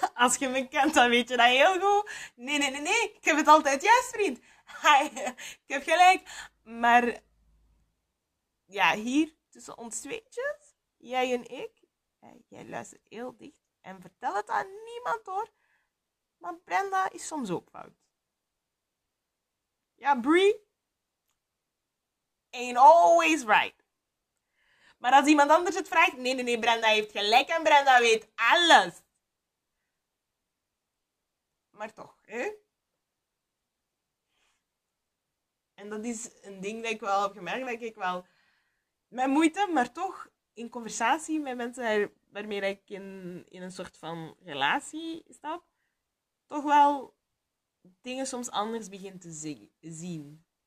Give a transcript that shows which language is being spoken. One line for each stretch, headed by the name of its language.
Dutch: Als je me kent, dan weet je dat heel goed. Nee. Ik heb het altijd juist, vriend. Ik heb gelijk. Maar ja, hier tussen ons tweetjes, jij en ik, jij luistert heel dicht en vertel het aan niemand hoor. Want Brenda is soms ook fout.
English: Ja, Brie ain't always right.
Dutch: Maar als iemand anders het vraagt, nee, Brenda heeft gelijk en Brenda weet alles. Maar toch, hè? En dat is een ding dat ik wel heb gemerkt, dat ik wel met moeite, maar toch in conversatie met mensen waarmee ik in een soort van relatie stap, toch wel dingen soms anders begin te zien.